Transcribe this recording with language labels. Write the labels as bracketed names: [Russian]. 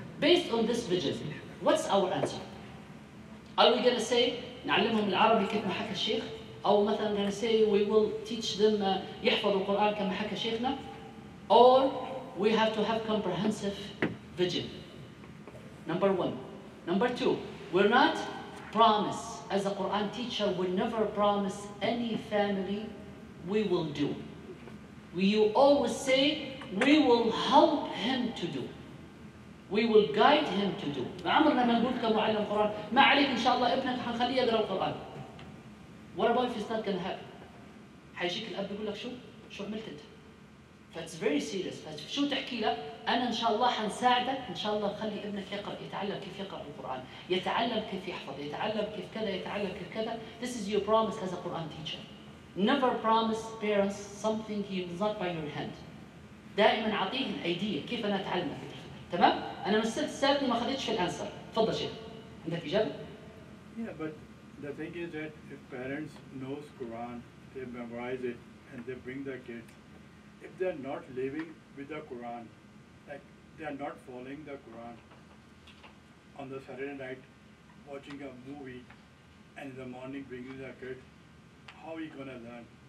[English] Based on this vision, what's our answer? Are we gonna say [Arabic] نعلمهم العربي كما حكى الشيخ؟ أو مثلاً [English] gonna say we will teach them [Arabic] يحفظ القرآن كما حكى شيخنا؟ [English] Or we have to have comprehensive vision. Number one. Number two. We're not promise. As a Quran teacher, we never promise any family we will do. You always say, we will help him to do. We will guide him to do. [Arabic] ما عمرنا ما نقول كمعلم قرآن ما عليك إن شاء الله ابنك حنخليه يقرأ القرآن. [English] What about if it's not gonna happen? [Arabic] حيجيك الأب يقول لك شو عملت انت؟ [English] فإتس very serious [Arabic] فشو تحكي له؟ أنا إن شاء الله حنساعدك إن شاء الله خلي ابنك يقرأ يتعلم كيف يقرأ القرآن يتعلم كيف يحفظ يتعلم كيف كذا يتعلم كيف كذا [English] This is your promise as a Quran teacher Never promise parents something he is not by your hand [Arabic] دائما عطيه الأيدية كيف أنا أتعلمك تمام؟ أنا من السادة السادة ما خذيتش في الأنسر تفضل شيخ عندك إجابة؟ [English] Yeah but the thing is that if parents knows Quran they memorize it and they bring their kids if they're not living with the Quran They are not following the Quran on the Saturday night, watching a movie, and in the morning bringing the kid. How he gonna learn?